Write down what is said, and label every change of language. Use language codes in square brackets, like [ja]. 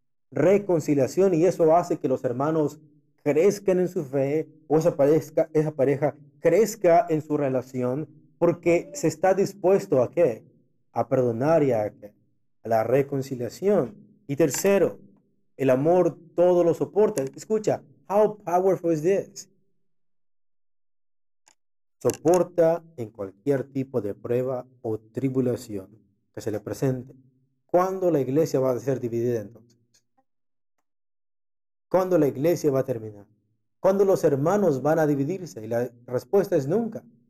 [es] Reconciliación y eso hace que los hermanos crezcan en su fe o esa pareja crezca en su relación. Porque se está dispuesto ¿a qué? a perdonar y a la reconciliación. Y tercero, el amor todo lo soporta. [en] Escucha, how powerful is this? [es] Soporta en cualquier tipo de prueba o tribulación que se le presente. ¿Cuándo la iglesia va a ser dividida entonces? ¿Cuándo la iglesia va a terminar? ¿Cuándo los hermanos van a dividirse? Y la respuesta es nunca.